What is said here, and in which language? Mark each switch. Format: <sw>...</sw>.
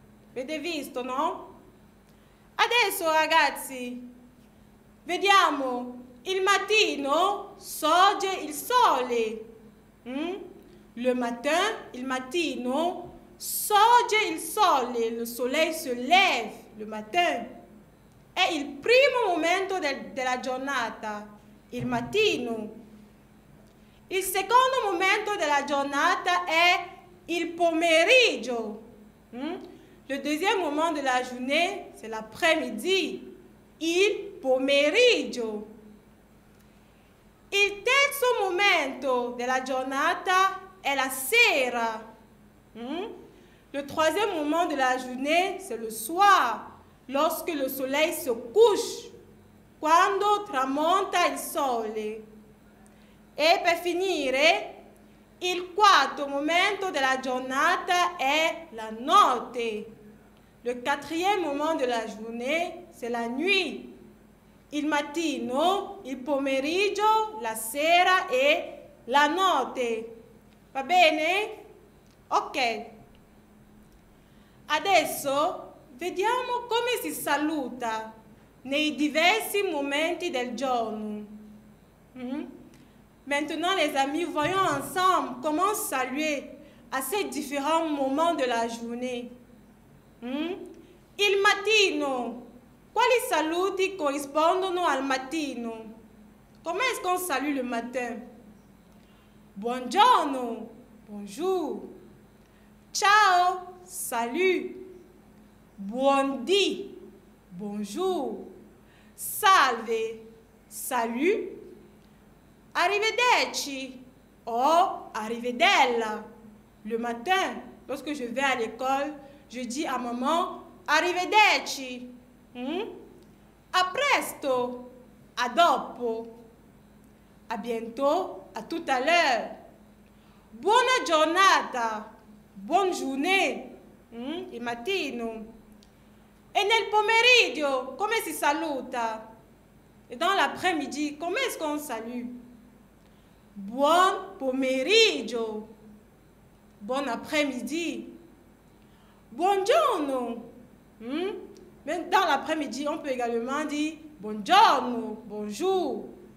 <it>Avete visto, no? Adesso, ragazzi, vediamo. Il mattino sorge il sole. Le matin, il mattino, sorge il sole.</it> <fr>Le soleil se lève le matin.</fr> <it>È il primo momento della giornata, il mattino. Il secondo momento della giornata è il pomeriggio.</it> <fr>Le deuxième moment de la journée, c'est l'après-midi.</fr> <it>Il pomeriggio. Il terzo momento della giornata è la sera.</it> <fr>Le troisième moment de la journée, c'est le soir. Lorsque le soleil se couche.</fr> <it>Quando tramonta il sole. E per finire, il quarto momento della giornata è la notte.</it> <fr>Le quatrième moment de la journée, c'est la nuit.</fr> <it>Il mattino, il pomeriggio, la sera e la notte. Va bene? Ok. Adesso vediamo come si saluta nei diversi momenti del giorno.</it> <fr>Maintenant, les amis, voyons ensemble comment saluer à ces différents moments de la journée.</fr> <it>Il mattino. Quali saluti corrispondono al mattino?</it> <fr>Come est-ce qu'on salue le matin?</fr> <it>Buongiorno. Bonjour. Ciao. Salut. Buondì. Bonjour. Salve. Salut. Arrivederci. Oh, arrivederla.</it> <fr>Le matin, lorsque je vais à l'école, je dis à maman, arrivederci.</fr> <it>A presto. A dopo. A bientôt.</it> <fr>A tout à l'heure. Buona giornata.</fr> <it>Buona giornata. Il mattino. E nel pomeriggio, come si saluta?</it> <fr>E dans l'après-midi, come est-ce qu'on salue? Buon pomeriggio.</fr> <it>Buon après-midi. Buongiorno.</it> <fr>Même dans l'après-midi, on peut également dire buongiorno, bonjour.</fr>